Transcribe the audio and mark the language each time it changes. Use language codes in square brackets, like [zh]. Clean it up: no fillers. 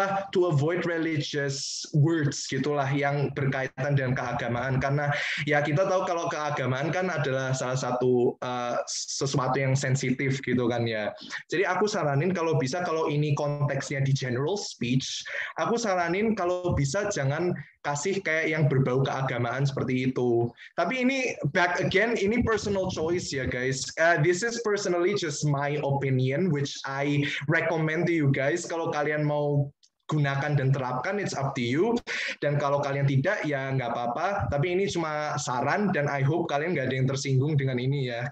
[en] To avoid religious words [id] gitulah yang berkaitan dengan keagamaan, karena ya kita tahu kalau keagamaan kan adalah salah satu sesuatu yang sensitif gitu kan ya. Jadi aku saranin kalau bisa, kalau ini konteksnya di general speech, aku saranin kalau bisa jangan kasih kayak yang berbau keagamaan seperti itu. Tapi ini [en] back again, [id] ini [en] personal choice [id] ya guys. [en] This is personally just my opinion, which I recommend to you guys. [id] Kalau kalian mau gunakan dan terapkan, [en] it's up to you. [id] Dan kalau kalian tidak, ya nggak apa-apa. Tapi ini cuma saran, dan [en] I hope [id] kalian nggak ada yang tersinggung dengan ini ya.